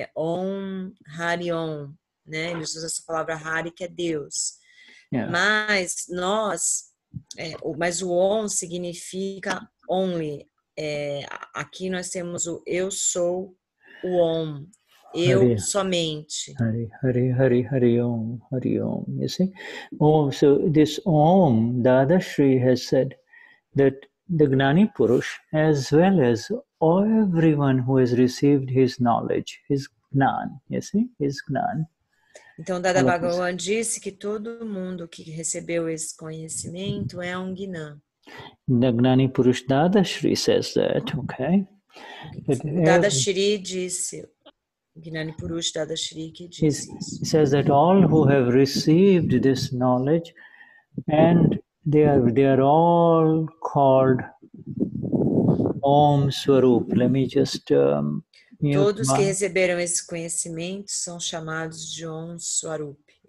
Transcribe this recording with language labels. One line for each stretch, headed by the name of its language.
Portuguese: É, Om, Hari Om, né? Eles usam essa palavra Hari, que é Deus. Yeah. Mas nós, mas o Om significa only. É, aqui nós temos o eu sou o Om. Eu Hari, somente.
English: Hari, Hari, Hari, Hari Om, Hari Om. You see? Oh, so this Om, Dadashri has said that the Gnani Purush, as well as everyone who has received his knowledge, his Gnan, you see? His Gnan.
Portuguese: Então, Dada Bhagavan disse que todo mundo que recebeu esse conhecimento é um Gnan.
English: The Gnani Purush Dadashri says that, okay?
Portuguese: Dadashri disse. Gnani Purush Dadashri que diz isso.
English: He says that all who have received this knowledge and they are all called Om Swarup. Let me just
Portuguese: todos que receberam esse conhecimento são chamados de Om Swarup.